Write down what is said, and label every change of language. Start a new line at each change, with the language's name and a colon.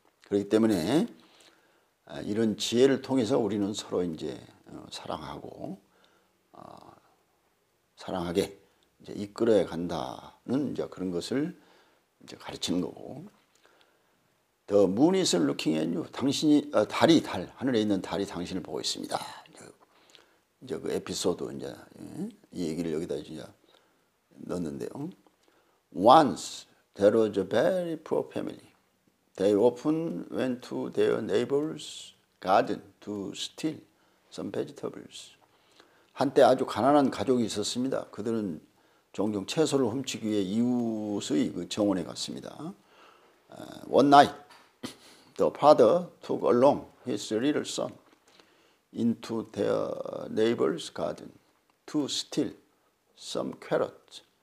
Korean: 그렇기 때문에 이런 지혜를 통해서 우리는 서로 이제 사랑하고 사랑하게 이제 이끌어 간다는 이제 그런 것을 이제 가르치는 거고.
English: The moon is looking at you.
Korean: 당신이 달이 달 하늘에 있는 달이 당신을 보고 있습니다. 이제 그 에피소드 이제 이 얘기를 여기다 이제 넣었는데요.
English: Once there was a very poor family. They often went to their neighbor's garden to steal some vegetables.
Korean: 한때 아주 가난한 가족이 있었습니다. 그들은 종종 채소를 훔치기 위해 이웃의 그 정원에 갔습니다.
English: One night, the father took along his little son into their neighbor's garden to steal some carrots.